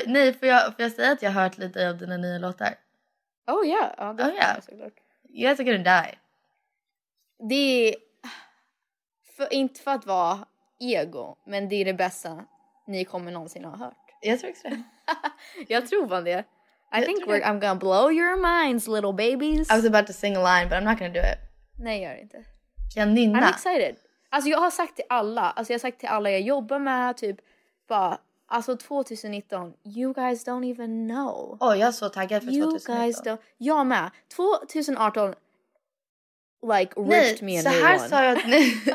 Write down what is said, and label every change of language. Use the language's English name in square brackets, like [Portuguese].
[Swedish] Nej, får jag säga att jag har hört lite av dina nya låtar? Oh ja. [English] Yeah. Oh ja. Yeah. You guys are gonna die. [Swedish] Det är. Inte för att vara ego. Men det är det bästa ni kommer någonsin ha hört. Jag tror också det. Jag tror på det. [English] I think I'm gonna blow your minds, little babies. I was about to sing a line, but I'm not gonna do it. [Swedish] Nej, gör inte. Kan nynna? [English] I'm excited. [Swedish] Alltså jag har sagt till alla. Alltså jag har sagt till alla jag jobbar med. Typ bara. Alltså [English] 2019. You guys don't even know. [Swedish] Åh, jag är så taggad för 2019. Jag med. [English] 2018. like ripped me a new one. [Swedish] Så här sa jag nu.